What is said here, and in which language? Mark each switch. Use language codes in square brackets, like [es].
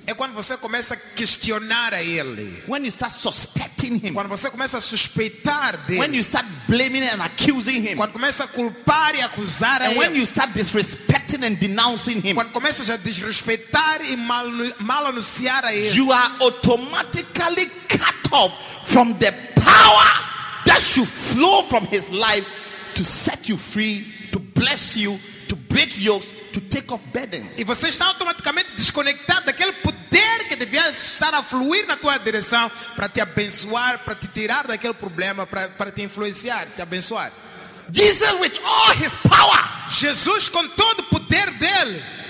[pt] É quando você começa a questionar a ele. [en] When you start suspecting him. [pt] Quando você começa a suspeitar dele. [en] When you start blaming and accusing him. [pt] Quando começa a culpar e acusar a ele. [en] And when you start disrespecting and denouncing him. [pt] Quando começa a desrespeitar e mal anunciar a ele. [en] You are automatically cut off from the power that should flow from his life to set you free, to bless you, to break yokes, to take off burdens. [pt] E você está automaticamente desconectado daquele poder que devia estar a fluir na tua direção para te abençoar, para te tirar daquele problema, para te influenciar, te abençoar. [en] Jesus with all his power. [pt] Jesus com todo o poder dele.